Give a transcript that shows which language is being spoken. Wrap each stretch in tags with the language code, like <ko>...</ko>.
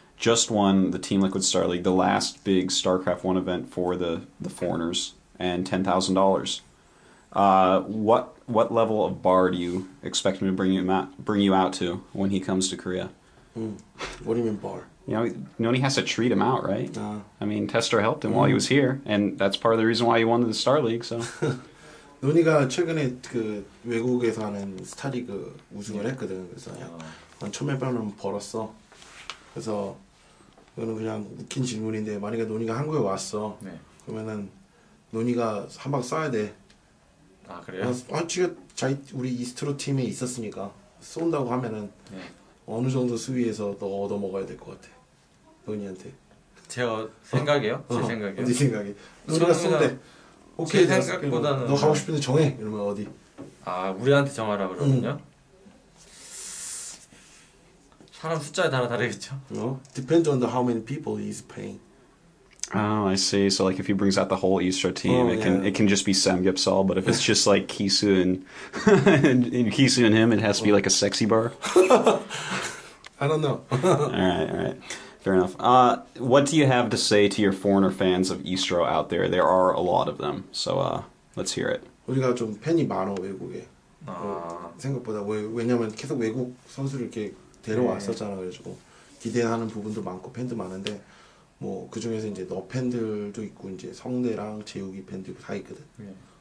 <en>Just won the Team Liquid Star League, the last big StarCraft 1 event for the foreigners, and $10,000. What level of bar do you expect him to bring you out to when he comes to Korea? What do you mean bar? You know, Noni has to treat him out, right? Nah. I mean, Tester helped him while he was here, and that's part of the reason why he won the Star League, so.</en> <ko>Noni가 최근에 그 외국에서 하는 스타리그 우승을 했거든. 그래서 한 1,000만원 벌었어. 그래서 이거는 그냥 웃긴 질문인데 만약에 노니가 한국에 왔어 네. 그러면은 노니가 한 방 쏴야 돼 아 그래요? 아 지금 우리 이스트로 팀에 있었으니까 쏜다고 하면은 네. 어느 정도 수위에서 너 얻어먹어야 될 것 같아 노니한테 제 생각이요? 제 생각이요? 네 생각이 노니가 쏜대 오케이 제 생각보다는 너 가고 싶은데 정해 이러면 어디 아 우리한테 정하라 그러면요? 사람 숫자에 따라 다르겠죠.</ko> <en>No, depends on the how many people he's paying. Oh, I see. So like if he brings out the whole eSTRO team, it can just be Samgyeopsal. But if it's just like Kisu and Kisu and him, it has to be like a sexy bar. I don't know. All right. Fair enough. What do you have to say to your foreigner fans of eSTRO out there? There are a lot of them. So let's hear it.</en> <ko>우리가 좀 팬이 많아 외국에. 아 생각보다 왜냐면 계속 외국 선수를 이렇게 데려왔었잖아 그래가지고 기대하는 부분도 많고 팬도 많은데 뭐 그 중에서 이제 너 팬들도 있고 이제 성대랑 재욱이 팬들 다 있거든. 네.</ko>